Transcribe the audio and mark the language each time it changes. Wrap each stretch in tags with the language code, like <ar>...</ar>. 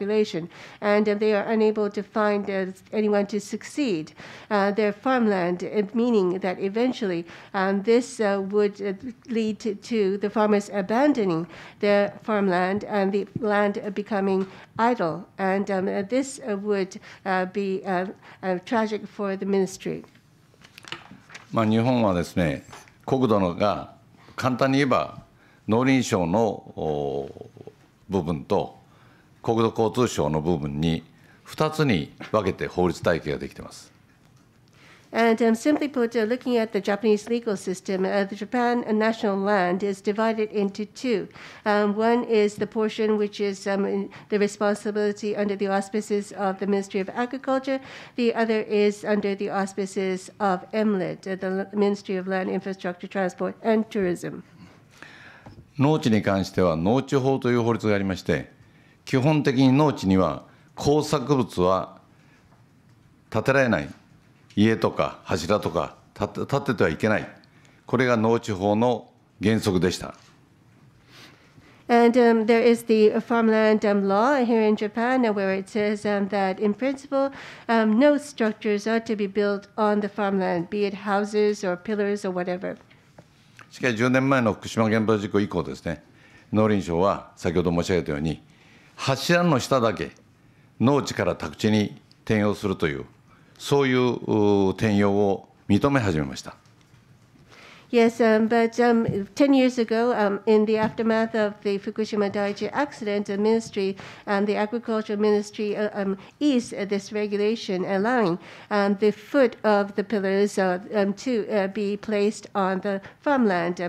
<en>population, and they are unable to find anyone to succeed their farmland, meaning that eventually this would lead to the farmers abandoning their farmland and the land becoming idle, and this would be tragic for the ministry.</en> <ja>まあ、日本はですね、国土のが簡単に言えば農林省の部分と国土交通省の部分に2つに分けて法律体系ができています。</ja> <en>And simply put, looking at the Japanese legal system, the Japan national land is divided into two. One is the portion which is the responsibility under the auspices of the Ministry of Agriculture. The other is under the auspices of MLIT, the Ministry of Land, Infrastructure, Transport and Tourism.</en> <ja>農地に関しては農地法という法律がありまして、基本的に農地には耕作物は建てられない。家とか柱とか建ててはいけない。これが農地法の原則でした。</ja> <en>And there is the farmland law here in Japan where it says that in principle no structures are to be built on the farmland, be it houses or pillars or whatever.</en> <ja>しかし10年前の福島原発事故以降ですね、農林省は先ほど申し上げたように柱の下だけ農地から宅地に転用するという。そういう転用を認め始めました。</ja> <en>Yes, but 10 years ago, in the aftermath of the Fukushima Daiichi accident, the ministry and the agricultural ministry eased this regulation, allowing the foot of the pillars to be placed on the farmland.</en>